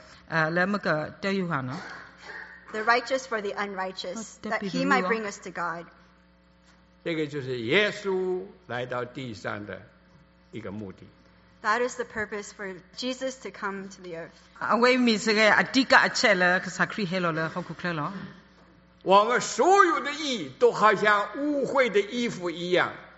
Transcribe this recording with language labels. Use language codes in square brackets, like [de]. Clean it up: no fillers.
[en] The righteous for the unrighteous, that he might bring us to God. [zh] 这个就是耶稣来到地上的一个目的。 [en] That is the purpose for Jesus to come to the earth. [zh] 我们所有的义都好像污秽的衣服一样。